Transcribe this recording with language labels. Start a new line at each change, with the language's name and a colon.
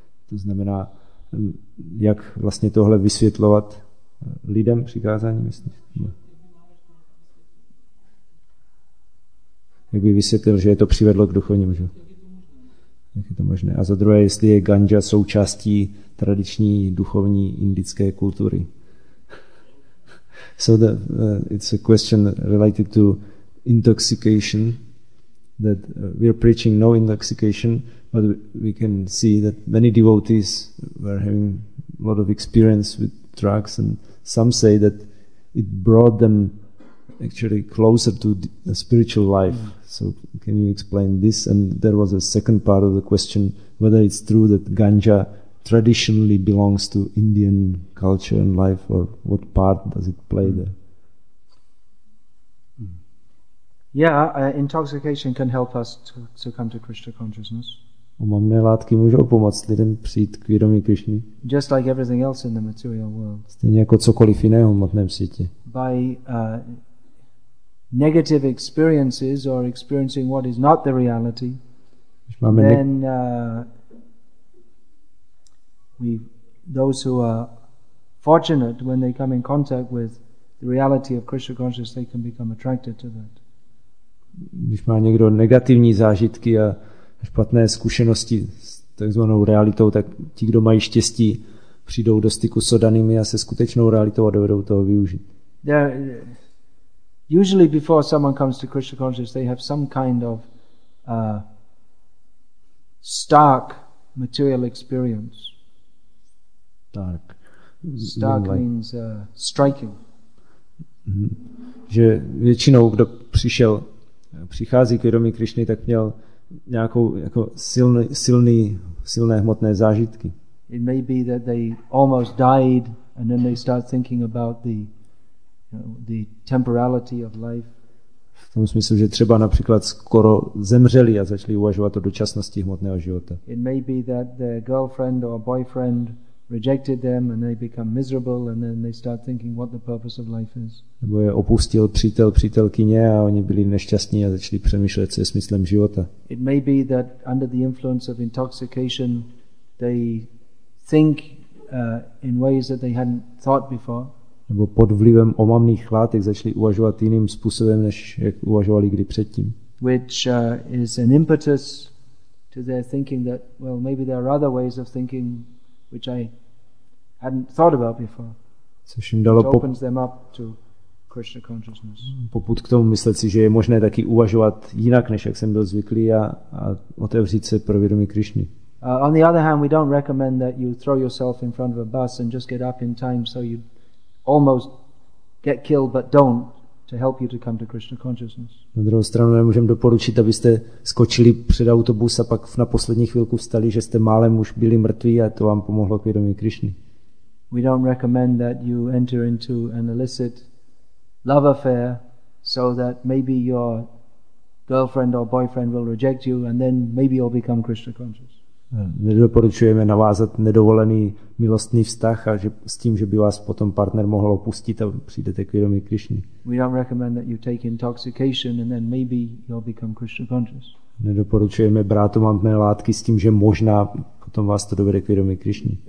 Czech: To znamená, jak vlastně tohle vysvětlovat lidem přikázání, myslím. Jak by vysvětlil, že je to přivedlo k duchovnímu životu? Jak je to možné? A za druhé, jestli je ganja součástí tradiční duchovní indické kultury.
English: So the it's a question related to intoxication, that we are preaching no intoxication, but we can see that many devotees were having a lot of experience with drugs, and some say that it brought them actually closer to the spiritual life. So can you explain this? And there was a second part of the question, whether it's true that ganja traditionally belongs to Indian culture and life, or what part does it play there? Yeah, intoxication can help us to come to Krishna consciousness.
Czech: Omamné látky můžou pomoct lidem přijít k vědomí Krišny.
English: Just like everything else in the material world.
Czech: Stejně jako cokoliv jiného v hmotném světě.
English: By negative experiences or experiencing what is not the reality, then we, those who are fortunate when they come in contact with the reality of Krishna consciousness, they can become attracted to that.
Czech: Když má někdo negativní zážitky a špatné zkušenosti s takzvanou realitou, tak ti, kdo mají štěstí, přijdou do styku s oddanými a se skutečnou realitou a dovedou toho využít.
English: Usually before someone comes to Krishna consciousness, they have some kind of stark material experience. Dark. Stark means striking. Mm-hmm.
Czech: Že většinou, kdo přišel, přichází k vědomí Krišny, tak měl nějakou jako silné hmotné zážitky.
English: It may be that they almost died and then they start thinking about the temporality of life.
Czech: V tom smyslu, že třeba například skoro zemřeli a začali uvažovat o dočasnosti hmotného života.
English: It may be that their girlfriend or boyfriend rejected them and they become miserable and then they start thinking what the purpose of life is.
Czech: Nebo je opustil přítel přítelkyně a oni byli nešťastní a začali přemýšlet, co je smyslem života.
English: It may be that under the influence of intoxication they think in ways that they hadn't thought before.
Czech: Nebo pod vlivem omamných látek začali uvažovat jiným způsobem, než jak uvažovali kdy předtím.
English: Which is an impetus to their thinking that, well, maybe there are other ways of thinking which I hadn't thought about before.
Czech: Což jim dalo
English: opens them up to Krishna consciousness.
Czech: Popud k tomu myslet si, že je možné taky uvažovat jinak, než jak jsem byl zvyklý a otevřít se pro vědomí Krišny.
English: On the other hand, we don't recommend that you throw yourself in front of a bus and just get up in time so you almost get killed but don't to help you to come to Krishna consciousness.
Czech: Na druhou stranu nemůžem doporučit, abyste skočili před autobus a pak na poslední chvilku vstali, že jste málem už byli mrtví a to vám pomohlo k vědomí Krišny.
English: We don't recommend that you enter into an illicit love affair so that maybe your girlfriend or boyfriend will reject you and then maybe you'll become Krishna conscious.
Czech: Nedoporučujeme navázat nedovolený milostný vztah a že s tím, že by vás potom partner mohl opustit a přijdete k vědomí Krišny.
English: We don't recommend that you take intoxication and then maybe you'll become Krishna conscious.
Czech: Nedoporučujeme brát omamné látky s tím, že možná potom vás to dovede k vědomí Krišny.